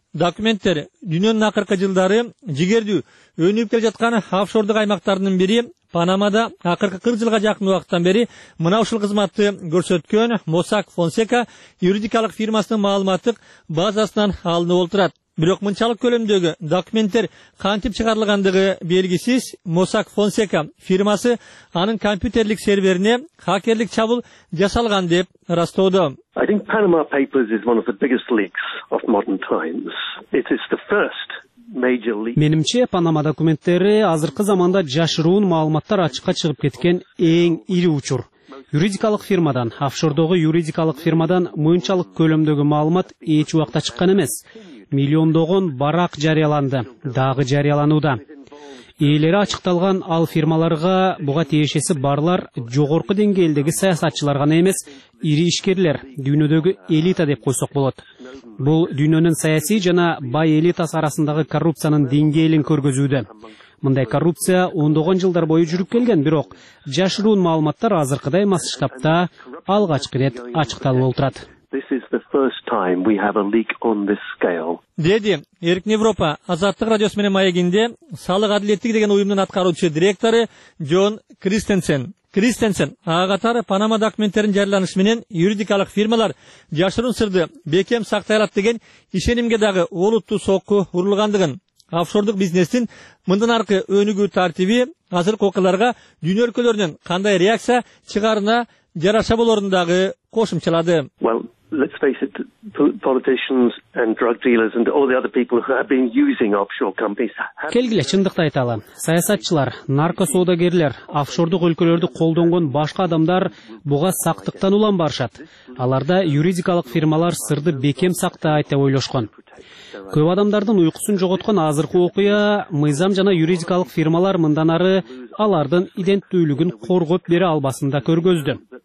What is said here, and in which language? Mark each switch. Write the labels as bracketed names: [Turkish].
[Kyrgyz] Документтер дүйнөнүн акыркы жылдары жигердүү өнүп келе жаткан офшордук аймактарынын бири Панамада акыркы 40 жылга жакын убакыттан бери мына ушул кызматты көрсөткөн Mossack Fonseca юридикалык фирмасынын маалыматтык базасынан алынып отурат. Бирок мынчалык көлөмдөгү документтер кантип чыгарылгандыгы белгисиз. Mossack Fonseca фирмасы анын компьютерлик серверине хакерлик чабуул жасалган деп ырастоодо. [English] I think Panama Papers is one of the biggest leaks of modern times. It is the first major leak. [Kyrgyz] Менимче, Панама документтери азыркы заманда жашыруун маалыматтар ачыкка чыгып кеткен эң ири учур. Юридикалык фирмадан, офшордогу юридикалык фирмадан мынчалык көлөмдөгү маалымат эч убакта чыккан эмес. Миллиондогон барак жарыяланды, дагы жарыялануда. Ээлери ачыкталган ал фирмаларга буга тиешеси барлар жогорку деңгээлдеги саясатчылар гана эмес, ири ишкерлер, дүйнөдөгү элита деп койсок болот. Бул дүйнөнүн саясий жана бай элитасы арасындагы коррупциянын деңгээлин көргөзүүдө. Мындай коррупция ондогон жылдар бою жүрүп келген, бирок жашыруун маалыматтар азыркыдай масштабта алгачкы ирет ачыкталып отурат. [English] This is the first time we have a leak on this scale. [Kyrgyz] Деди Эркин Европа Азаттык радиосу менен маегинде салык адилеттиги деген уюмдун аткаруучу директору Джон Кристенсен. Кристенсен ага катары Панама документтеринин жарыяланышы менен юридикалык фирмалар жашыруун сырды бекем сактай алат деген ишенимге дагы олуттуу сокку урулгандыгын, офшордук бизнестин мындан аркы өнүгүү тартиби азыркы окуяларга дүйнө өлкөлөрүнөн кандай реакция чыгарына жараша болорун дагы кошумчалады. [English] Well, let's face it, politicians and drug dealers and all the other people who have been using offshore companies. [Kyrgyz] Келгиле чындыкты айталы. Саясатчылар, наркосоодагерлер, офшордук өлкөлөрдү колдонгон башка адамдар буга сактыктан улам барышат. Аларда юридикалык фирмалар сырды бекем сактайт деп ойлошкон. Көп адамдардын уйкусун жоготкон азыркы окуя мыйзам жана юридикалык фирмалар мындан ары алардын иденттүүлүгүн коргоп бере албасында көргөздү.